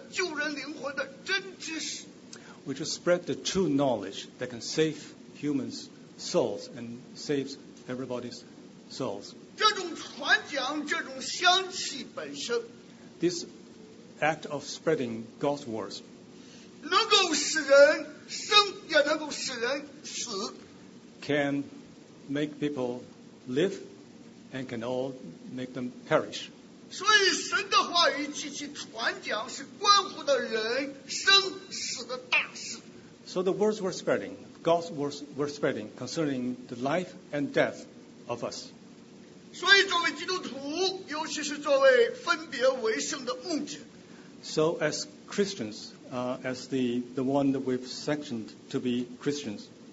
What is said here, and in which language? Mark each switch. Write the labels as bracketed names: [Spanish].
[Chinese] 传讲使人认识耶稣基督的那种得救的、救人的、救人灵魂的真知识。 [English] We should spread the true knowledge that can save humans' souls and saves everybody's souls. [Chinese] 这种传讲，这种香气本身, [English] this act of spreading God's words, [Chinese] 能够使人生，也能够使人死, [English] can make people live and can all make them perish. [Chinese] 所以神的话语及其传讲是关乎的人生死的大事。 [English] So the words were spreading. God's words were spreading concerning the life and death of us. [Chinese] 所以作为基督徒，尤其是作为分别为圣的牧者。 [English] So as Christians, as the one that we've sanctioned to be Christians.